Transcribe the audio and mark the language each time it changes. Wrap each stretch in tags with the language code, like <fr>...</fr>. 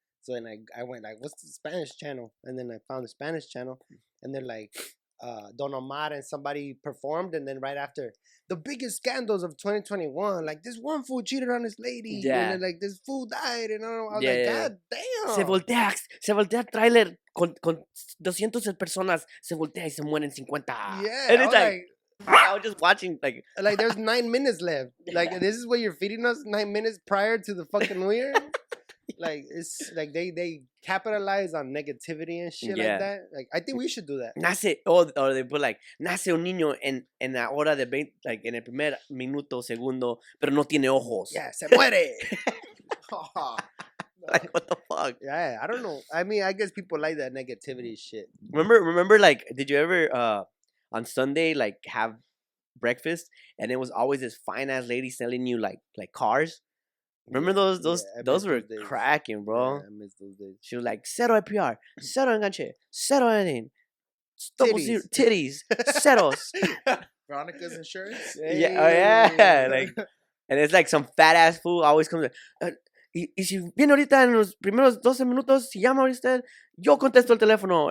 <en>So then I went like, what's the Spanish channel? And then I found the Spanish channel. And they're like, Don Omar and somebody performed. And then right after, the biggest scandals of 2021. Like, this one fool cheated on his lady. Yeah. And then, like, this fool died. And I was like, yeah. God damn.</en> <es>Se voltea trailer. Con 200 personas se voltea y se mueren 50.</es> <en>Yeah. And it's like, I was just watching. Like, like there's 9 minutes left. Like, yeah. This is what you're feeding us 9 minutes prior to the fucking New Year? Like, it's like they capitalize on negativity and shit yeah. like that. Like, I think we should do that.</en> <es>Nace,</es> <en>or they put like,</en> <es>nace un niño en la hora de 20, like, en el primer minuto, segundo, pero no tiene ojos.</es> <en>Yeah,</en> <es>se muere.</es> <en>Like, what the fuck? Yeah, I don't know. I mean, I guess people like that negativity shit. Remember, like, did you ever, on Sunday, like, have breakfast? And it was always this fine-ass lady selling you, like cars? Remember those? Yeah, those were cracking, bro. Yeah, I miss those days. She was like, cero APR,</en> <es>cero enganche,</es> <en>cero anything, double zero, titties, ceros. Veronica's insurance? Hey. Yeah, oh, yeah. Like, and it's like some fat-ass fool always comes in.</en> <es>Y si viene ahorita en los primeros 12 minutos, si llama ahorita, yo contesto el teléfono.</es>